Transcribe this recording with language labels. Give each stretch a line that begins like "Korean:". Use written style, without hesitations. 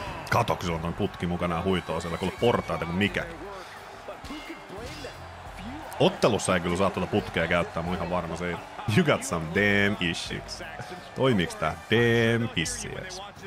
Finnish: Kato, kun sulla on ton putki mukana ja huitoo siellä, kuule portaita kuin mikä. Ottelussa ei kyllä saa tuota putkea käyttää, mun ihan varma siitä.
English: You got some damn issues.
Finnish: Toimiks tää damn pissies?